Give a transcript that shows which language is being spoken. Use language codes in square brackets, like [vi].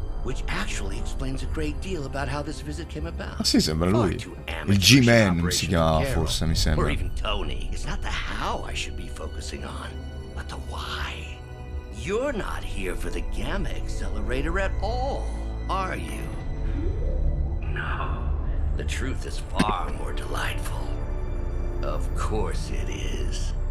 [en] Which actually explains a great deal about how this visit came about. [it] Ah, sì, sembra lui. Il G-Man si chiamava, forse, mi sembra. [en] Or even Tony. It's not the how I should be focusing on, but the why. You're not here for the Gamma Accelerator at all, are you? No. The truth is far more delightful. Of course it is.